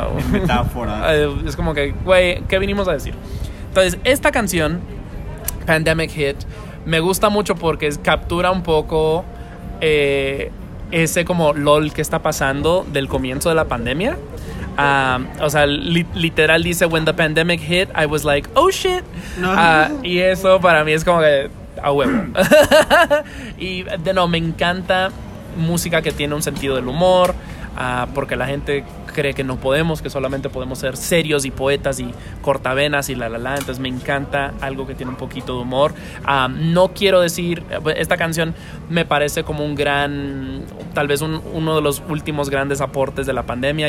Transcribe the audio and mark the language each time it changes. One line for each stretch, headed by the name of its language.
Spanish: metáfora. Es como que, güey, ¿qué vinimos a decir? Entonces, esta canción, Pandemic Hit, me gusta mucho porque captura un poco ese como lol que está pasando del comienzo de la pandemia. O sea, literal dice:
English: "When the pandemic hit, I was like, oh shit."
Spanish: Y eso para mí es como que a huevo. Y de nuevo, me encanta música que tiene un sentido del humor, porque la gente cree que no podemos, que solamente podemos ser serios y poetas y cortavenas y la la la. Entonces me encanta algo que tiene un poquito de humor. No quiero decir, esta canción me parece como un gran, tal vez uno de los últimos grandes aportes de la pandemia.